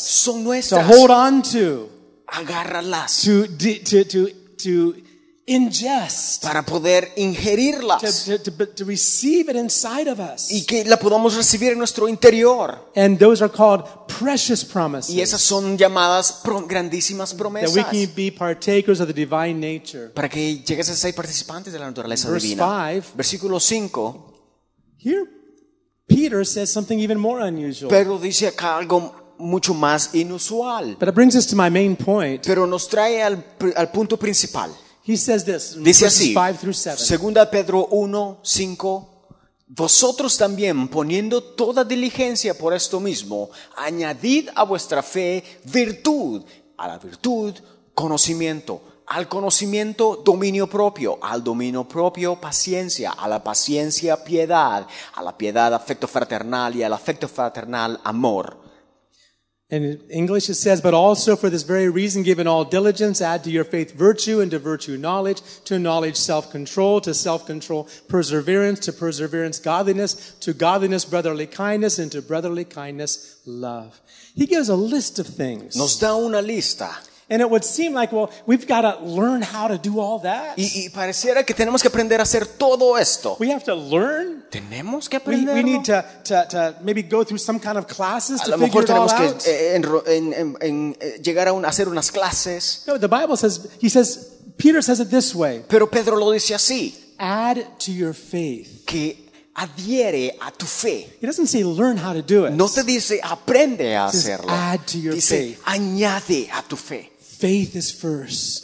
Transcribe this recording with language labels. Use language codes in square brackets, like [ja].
[es] Son nuestras. [en] To hold on to. [es] Agárralas. [en] To ingest. [es] Para poder ingerirlas. [en] To receive it inside of us. [es] Y que la podamos recibir en nuestro interior. [en] And those are called precious promises. [es] Y esas son llamadas grandísimas promesas. [en] That we can be partakers of the divine nature. [es] Para que llegues a ser participantes de la naturaleza divina. [en] Verse 5. [es] Versículo 5. [en] Here, Peter says something even more unusual. [es] Pero dice acá algo mucho más inusual. [en] But it brings us to my main point. [es] Pero nos trae al punto principal. [en] He says this. [es] Dice así. [en] 5-7. [es] Segunda Pedro 1:5. Vosotros también, poniendo toda diligencia por esto mismo, añadid a vuestra fe virtud, a la virtud conocimiento, al conocimiento dominio propio, al dominio propio paciencia, a la paciencia piedad, a la piedad afecto fraternal y al afecto fraternal amor. [en] And in English it says, but also for this very reason, given all diligence, add to your faith virtue, and to virtue knowledge, to knowledge self-control, to self-control perseverance, to perseverance godliness, to godliness brotherly kindness, and to brotherly kindness love. He gives a list of things. [es] Nos da una lista. [en] And it would seem like, well, we've got to learn how to do all that. [es] Y pareciera que tenemos que aprender a hacer todo esto. [en] We have to learn. [es] Tenemos que aprenderlo. [en] We need to maybe go through some kind of classes [es] a [en] to figure it all out. [es] A lo mejor tenemos que llegar a hacer unas clases. [en] No, the Bible says, he says, Peter says it this way. [es] Pero Pedro lo dice así. [en] Add to your faith. [es] Que adhiere a tu fe. [en] He doesn't say learn how to do it. [es] No te dice aprende a hacerlo. [en] Add to your [es] dice, [en] faith. [es] Añade a tu fe. [en] Faith is first.